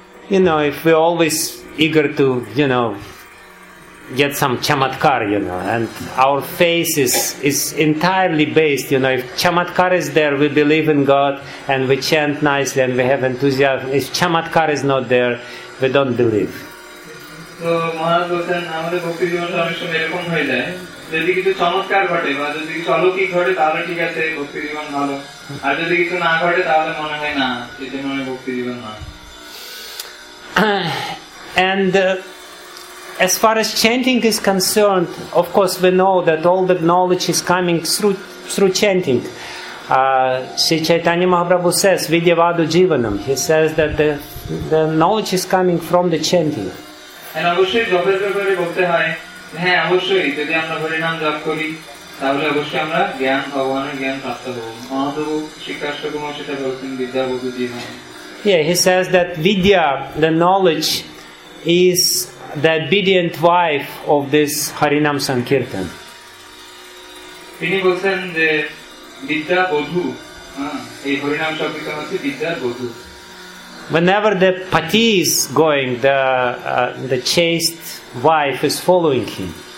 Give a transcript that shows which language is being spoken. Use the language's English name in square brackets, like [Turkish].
[English] You know, if we're always eager to, you know, get some chamatkar, you know, and our faith is entirely based, you know, if chamatkar is there, we believe in God and we chant nicely and we have enthusiasm. If chamatkar is not there, we don't believe. So, [Bangla] Maharaj বলছেন আমাদের ভক্তি জীবন সমস্যা এরকম হয়ে যায় যদি কিছু চমৎকার ঘটে বা যদি কিছু অলৌকিক ঘটে তাহলে ঠিক আছে ভক্তি জীবন ভালো আর যদি কিছু না ঘটে তাহলে মনে হয় না সেটা মনে ভক্তি জীবন না [English] and as far as chanting is concerned, of course we know that all the knowledge is coming through chanting. Sri Chaitanya Mahaprabhu says, Vidyavadu Jivanam, he says that the knowledge is coming from the chanting. And [Bangla] অবশ্যই জপের ব্যাপারে বলতে হয় হ্যাঁ অবশ্যই যদি আমরা হরিনাম জপ করি তাহলে অবশ্যই আমরা জ্ঞান ভগবানের জ্ঞান প্রাপ্ত করব মহাদেব শিকাশ কুমার সেটা বলছেন বিদ্যা বুদ্ধি জীবন [English] Yeah, he says that Vidya, the knowledge, is the obedient wife of this Harinam Sankirtan. [Bangla] তিনি বলছেন যে বিদ্যা বধু এই হরিনাম শব্দটি হচ্ছে বিদ্যার বধু [English] Whenever the pati is going, the chaste wife is following him.